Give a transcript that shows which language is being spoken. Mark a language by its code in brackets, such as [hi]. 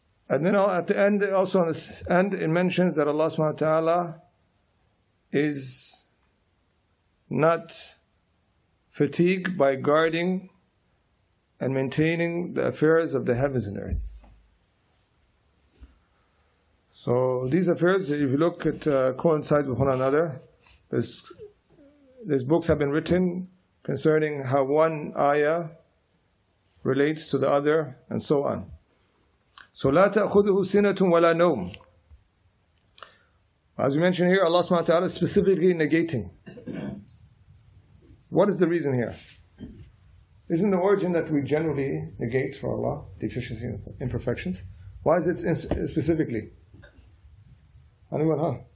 [en] And then at the end, also on the end, it mentions that Allah subhanahu wa ta'ala is not fatigued by guarding and maintaining the affairs of the heavens and earth. So these affairs, if you look at, coincide with one another. There's books have been written concerning how one ayah relates to the other, and so on. [ar] So, لَا تَأْخُذُهُ سِنَةٌ وَلَا نَوْمٌ. [en] As we mentioned here, Allah subhanahu wa ta'ala is specifically negating. What is the reason here? Isn't the origin that we generally negate for Allah, deficiency and imperfections? Why is it specifically? Anyone, huh?